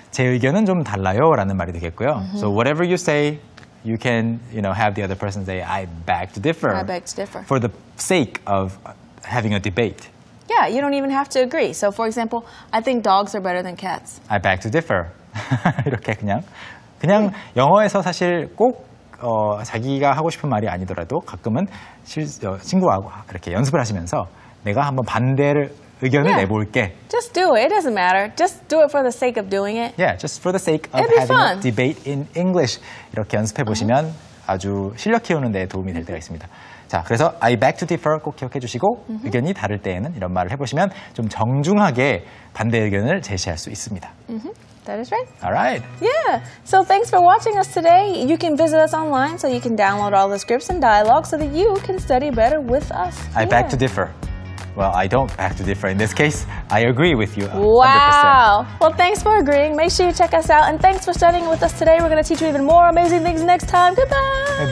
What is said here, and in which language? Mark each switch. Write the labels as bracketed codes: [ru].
[ko] 제 의견은 좀 달라요라는 말이 되겠고요. Mm-hmm. [en] So whatever you say, you can, you know, have the other person say I beg to differ. I beg to differ. For the sake of having a debate. Yeah, you don't even have to agree. So for example, I think dogs are better than cats. I beg to differ. [ko] 이렇게 그냥 [en] mm-hmm. [ko] 영어에서 사실 꼭 자기가 하고 싶은 말이 아니더라도 가끔은 친구하고 이렇게 연습을 하시면서 내가 한번 반대를 의견을 [en] yeah. [ko] 내볼게. [en] Just do it. It doesn't matter. Just do it for the sake of doing it. Yeah, just for the sake of having a debate in English. [ko] 이렇게 연습해 보시면 [en] uh-huh. [ko] 아주 실력 키우는 데 도움이 될 때가 있습니다. 자, 그래서 [en] I beg to differ [ko] 꼭 기억해 주시고 uh-huh. 의견이 다를 때에는 이런 말을 해보시면 좀 정중하게 반대 의견을 제시할 수 있습니다. [en] Uh-huh. That is right. All right. Yeah. So thanks for watching us today. You can visit us online so you can download all the scripts and dialogue so that you can study better with us. I beg to differ. Well, I don't beg to differ. In this case, I agree with you 100%. Wow. Well, thanks for agreeing. Make sure you check us out. And thanks for studying with us today. We're going to teach you even more amazing things next time. Goodbye.